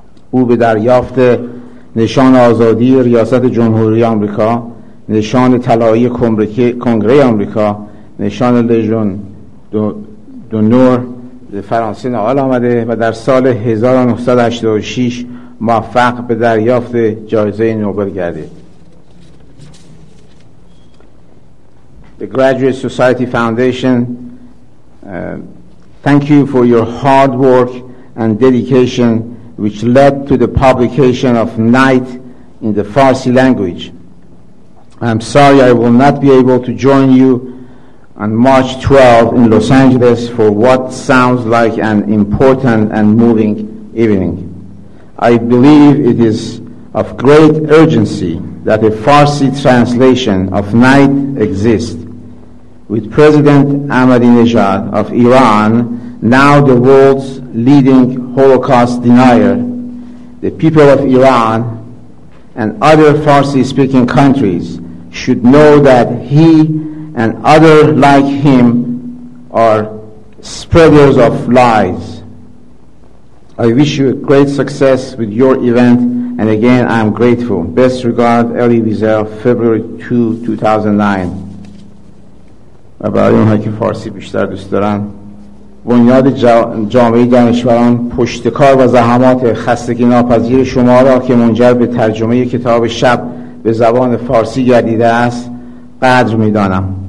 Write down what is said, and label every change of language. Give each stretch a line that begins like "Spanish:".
Persian: او به دریافت نشان آزادی ریاست جمهوری آمریکا، نشان طلایی کنگره آمریکا، نشان لژن دونور فرانسه نائل آمده و در سال 1986 موفق به دریافت جایزه نوبل گردید.
English: The Graduate Society Foundation, thank you for your hard work and dedication which led to the publication of Night in the Farsi language. I'm sorry I will not be able to join you on March 12 in Los Angeles for what sounds like an important and moving evening. I believe it is of great urgency that a Farsi translation of Night exists. With President Ahmadinejad of Iran, now the world's leading Holocaust denier, the people of Iran and other Farsi-speaking countries should know that he and others like him are spreaders of lies. I wish you a great success with your event, and again, I am grateful. Best regards, Elie Wiesel, February 2, 2009.
Persian: و برای اونهایی که فارسی بیشتر دوست دارن، بنیاد جامعه دانشوران پشتکار و زحمات خستگی ناپذیر شما را که منجر به ترجمه کتاب شب به زبان فارسی گردیده است قدر می دانم.